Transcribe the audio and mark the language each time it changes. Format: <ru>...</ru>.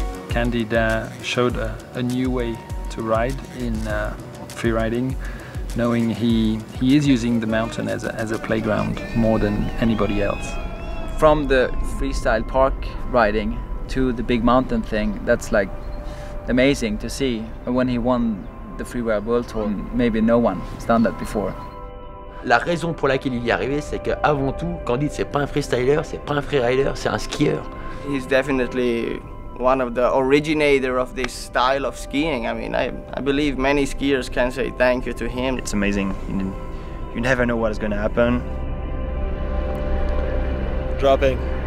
<en>Candide showed a new way to ride in free riding, knowing he is using the mountain as a playground more than anybody else. From the freestyle park riding to the big mountain thing, that's like amazing to see. When he won the Freeware World Tour, maybe no one has done that before.</en> <fr>La raison pour laquelle il y est arrivé, c'est que avant tout, Candide, c'est pas un freestyler, c'est pas un freerider, c'est un skieur.</fr> <en>He's definitely one of the originator of this style of skiing. I mean, I believe many skiers can say thank you to him. It's amazing. You never know what is going to happen. Dropping.</en>